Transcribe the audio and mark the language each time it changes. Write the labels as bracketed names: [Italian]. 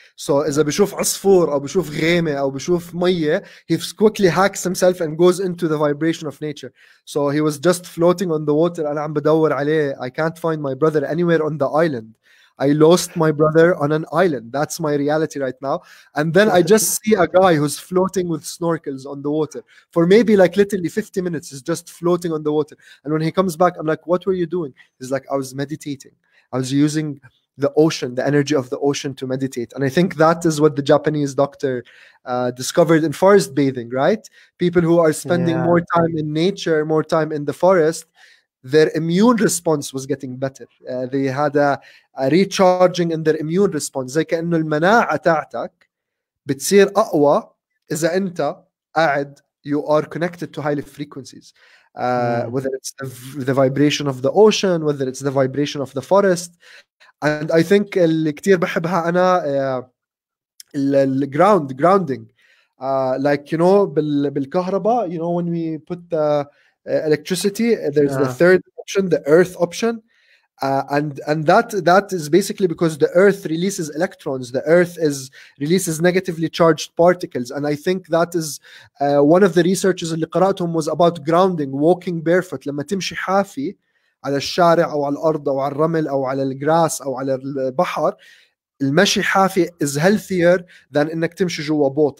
[English] So, [Arabic] إذا بيشوف عصفور أو بيشوف غيمة أو بيشوف مية, [English] he quickly hacks himself and goes into the vibration of nature. So he was just floating on the water. [Arabic] أنا عم بدور عليه. [English] I can't find my brother anywhere on the island. I lost my brother on an island. That's my reality right now. And then I just see a guy who's floating with snorkels on the water for maybe like literally 50 minutes. He's just floating on the water. And when he comes back, I'm like, what were you doing? He's like, I was meditating. I was using the ocean, the energy of the ocean, to meditate. And I think that is what the Japanese doctor discovered in forest bathing, right? People who are spending more time in nature, more time in the forest, their immune response was getting better. They had a recharging in their immune response. [Arabic] زي كأنه المناعة تاعتك بتصير أقوى إذا أنت قاعد, [English] you are connected to high frequencies. whether it's the vibration of the ocean, whether it's the vibration of the forest. And I think [Arabic] اللي كتير بحبها أنا [English] grounding. Like, you know, [Arabic] بالكهرباء, [English] you know, when we put the electricity, there's the third option, the earth option. And that is basically because the earth releases electrons. The earth releases negatively charged particles. And I think that is one of the researches [Arabic] اللي قرأتهم [English] was about grounding, walking barefoot. [Arabic] لما تمشي حافي على الشارع أو على الأرض أو على الرمل أو على الجراس أو على البحر, المشي حافي [English] is healthier than [Arabic] إنك تمشي جوا بوت.